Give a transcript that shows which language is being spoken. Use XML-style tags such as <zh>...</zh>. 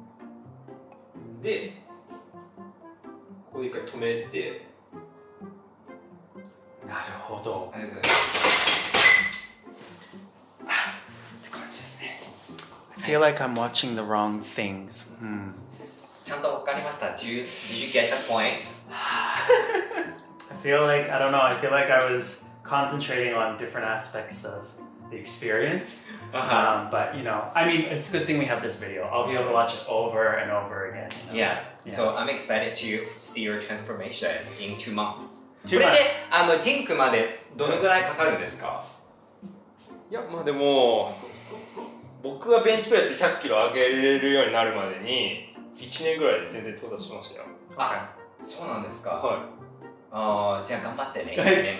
<ja>胸ですね。まずここ、これです。このこんぐらい反ります。今回ドル入りますね。そうそうそう、今回反って、すごい上げます。で、ここで一回止めて、なるほど。ありがとうございます。</ja> <en>I feel like I'm watching the wrong things. Hmm.</en> <ja>ちゃんと分かりました。</ja> <en>Did you get the point? I feel like, I don't know, I feel like I was concentrating on different aspects of the experience. Uh-huh. But, you know, I mean, it's a good thing we have this video. I'll be able to watch it over and over again. You know? Yeah. Yeah. So I'm excited to see your transformation in 2 months. 2 months?</en> <ja>これで、あの、リンクまでどのぐらいかかるんですか? いや、まあでも…僕がベンチプレス100キロ上げれるようになるまでに1年ぐらいで全然到達しましたよ。あ、そうなんですか。はい。あ、じゃあ頑張ってね、1年</ja>